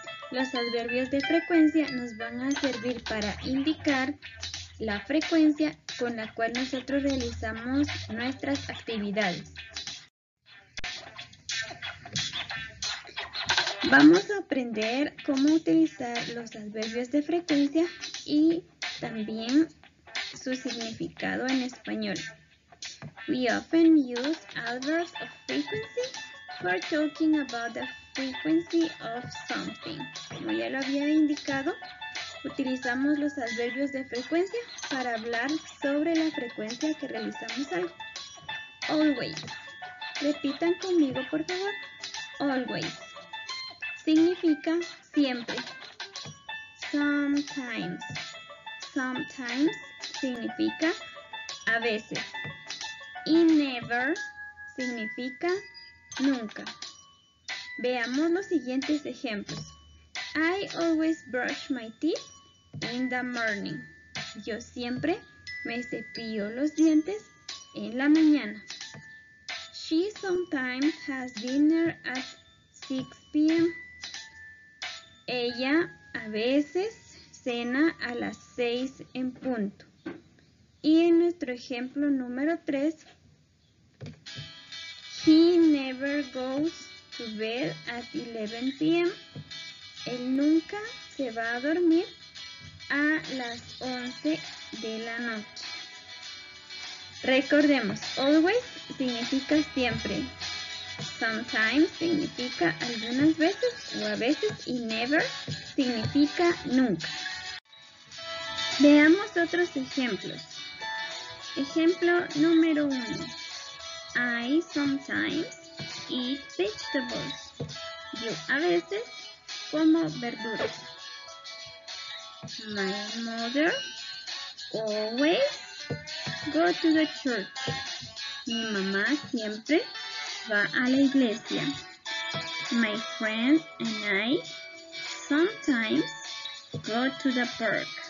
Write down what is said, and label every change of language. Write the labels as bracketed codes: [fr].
[es] Los adverbios de frecuencia nos van a servir para indicar la frecuencia con la cual nosotros realizamos nuestras actividades. Vamos a aprender cómo utilizar los adverbios de frecuencia y también su significado en español. [en] We often use adverbs of frequency for talking about the frequency of something. [es] Como ya lo había indicado, utilizamos los adverbios de frecuencia para hablar sobre la frecuencia que realizamos algo. Always. Repitan conmigo, por favor. Always. Significa siempre. Sometimes. Sometimes significa a veces. Y never significa nunca. Veamos los siguientes ejemplos. [en] I always brush my teeth in the morning. [es] Yo siempre me cepillo los dientes en la mañana. [en] She sometimes has dinner at 6 p.m. [es] Ella a veces cena a las 6 en punto. Y en nuestro ejemplo número 3, [en] he never goes to bed at 11 p.m. [es] Él nunca se va a dormir a las 11 de la noche. Recordemos, always significa siempre. Sometimes significa algunas veces o a veces y never significa nunca. Veamos otros ejemplos. Ejemplo número 1. [en] I sometimes eat vegetables. [es] Yo a veces como verduras. [en] My mother always go to the church. [es] Mi mamá siempre va a la iglesia. [en] My friend and I sometimes go to the park.